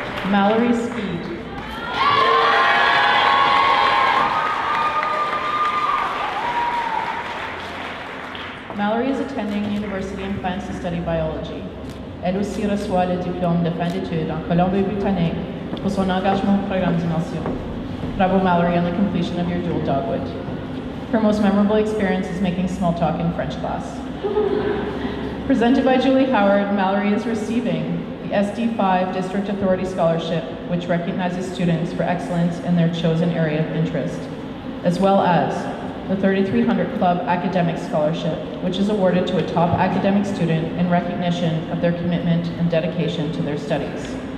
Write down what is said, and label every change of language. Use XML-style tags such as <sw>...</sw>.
<en>Mallory Speed. Mallory is attending university and plans to study biology.</en> <fr>Elle aussi reçoit le diplôme de fin d'études en Colombie-Britannique pour son engagement au programme d'immersion.</fr> <en>Bravo, Mallory, on the completion of your dual dogwood. Her most memorable experience is making small talk in French class. Presented by Julie Howard, Mallory is receiving the SD5 District Authority Scholarship, which recognizes students for excellence in their chosen area of interest, as well as the 3300 Club Academic Scholarship, which is awarded to a top academic student in recognition of their commitment and dedication to their studies,</en>